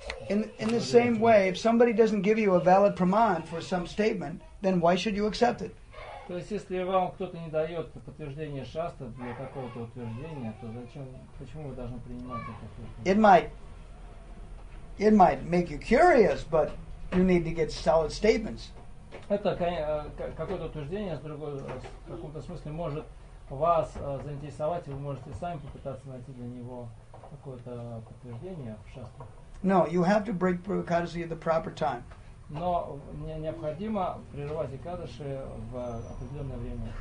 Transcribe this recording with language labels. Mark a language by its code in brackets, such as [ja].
[en] In the same way, if somebody doesn't give you a valid praman for some statement, then why should you accept it? [ru] То есть если вам кто-то не дает подтверждение шаста для какого-то утверждения, то зачем, почему вы должны принимать это? [en] It might make you curious, but you need to get solid statements. [ru] Это какое-то утверждение, с другой, в каком-то смысле, может вас заинтересовать, и вы можете сами попытаться найти для него какое-то подтверждение в шастре. [en] No, you have to break [ru] Прирвати [en] at the proper time. [ru] Но мне необходимо прерывать Экадаши в определенное время.